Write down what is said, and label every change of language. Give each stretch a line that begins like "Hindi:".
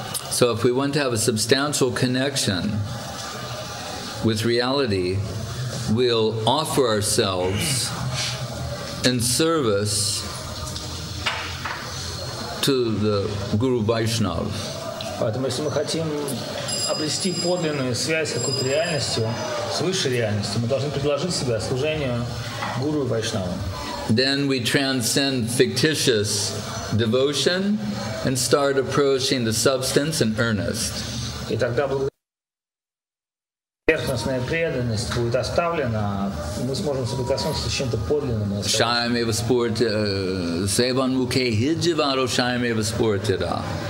English: So if we want to have a substantial connection with reality, we'll offer ourselves in service to the Guru Vaishnav.
Russian: Поэтому, если мы хотим обрести подлинную связь с какой-то реальностью, с высшей реальностью, мы должны предложить себя служению Гуру Вайшнаву.
English: Then we transcend fictitious devotion and start approaching the substance in earnest.
Russian: И тогда поверхностная преданность будет оставлена, мы сможем соприкоснуться с чем-то подлинным. Шаймева спорти, севан муке хиджеваро шаймева спортида.